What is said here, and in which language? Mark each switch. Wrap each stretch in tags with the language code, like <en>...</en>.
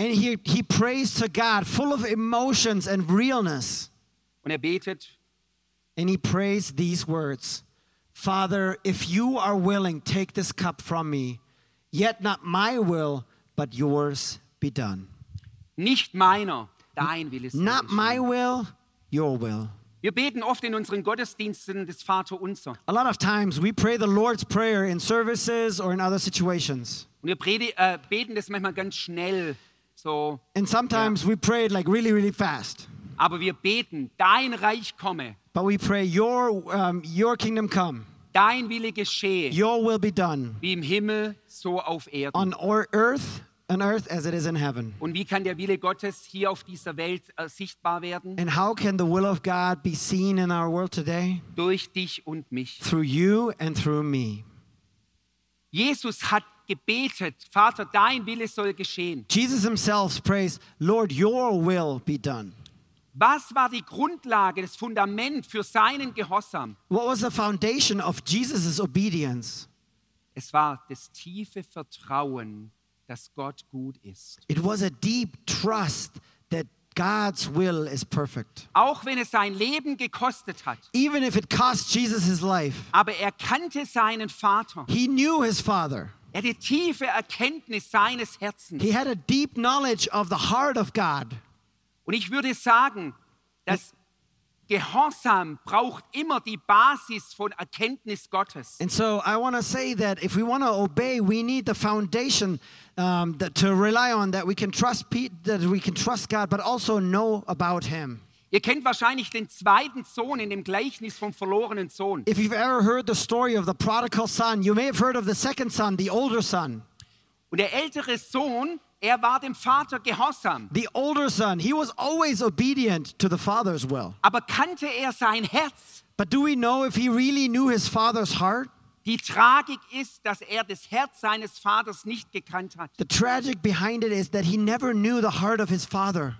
<en>And he prays to God full of emotions and realness.</en> <de>Und er betet.</de> <en>And he prays these words. Father, if you are willing, take this cup from me. Yet not my will, but yours be done.</en> <de>Nicht meiner, dein Wille sei.</de> <en>Not my will, your will.</en> <de>Wir beten oft in unseren Gottesdiensten das Vaterunser.</de> <en>A lot of times we pray the Lord's Prayer in services or in other situations.</en> <de>Und wir beten das manchmal ganz schnell. So.</de> <en>And sometimes we pray it like really, really fast.</en> <de>Aber wir beten, dein Reich komme.</de> <en>But we pray, your kingdom come.</en> <de>Dein Wille geschehe.</de> <en>Your will be done.</en> <de>Wie im Himmel, so auf Erden.</de> <en>On earth. On earth as it is in heaven.</en> <de>Und wie kann der Wille Gottes hier auf dieser Welt sichtbar werden?</de> <en>And how can the will of God be seen in our world today?</en> <de>Durch dich und mich.</de> <en>Through you and through me.</en> <de>Jesus hat gebetet, Vater, dein Wille soll geschehen.</de> <en>Jesus himself prays, Lord, your will be done.</en> <de>Was war die Grundlage, das Fundament für seinen Gehorsam?</de> <en>What was the foundation of Jesus' obedience?</en> <de>Es war das tiefe Vertrauen, dass Gott gut ist.</de> <en>It was a deep trust that God's will is perfect.</en> <de>Auch wenn es sein Leben gekostet hat.</de> <en>Even if it cost Jesus his life.</en> <de>Aber er kannte seinen Vater.</de> <en>He knew his father.</en> <de>Er hatte tiefe Erkenntnis seines Herzens.</de> <en>He had a deep knowledge of the heart of God.</en> <de>Und ich würde sagen, dass Gehorsam braucht immer die Basis von Erkenntnis Gottes.</de> <en>And so I want to say that if we want to obey, we need the foundation to rely on, that we can trust God, but also know about him.</en> <de>Ihr kennt wahrscheinlich den zweiten Sohn in dem Gleichnis vom verlorenen Sohn.</de> <en>If you've ever heard the story of the prodigal son, you may have heard of the second son, the older son.</en> <de>Und der ältere Sohn, er war dem Vater gehorsam.</de> <en>The older son, he was always obedient to the father's will.</en> <de>Aber kannte er sein Herz?</de> <en>But do we know if he really knew his father's heart?</en> <de>Die Tragik ist, dass er das Herz seines Vaters nicht gekannt hat.</de> <en>The tragic behind it is that he never knew the heart of his father.</en>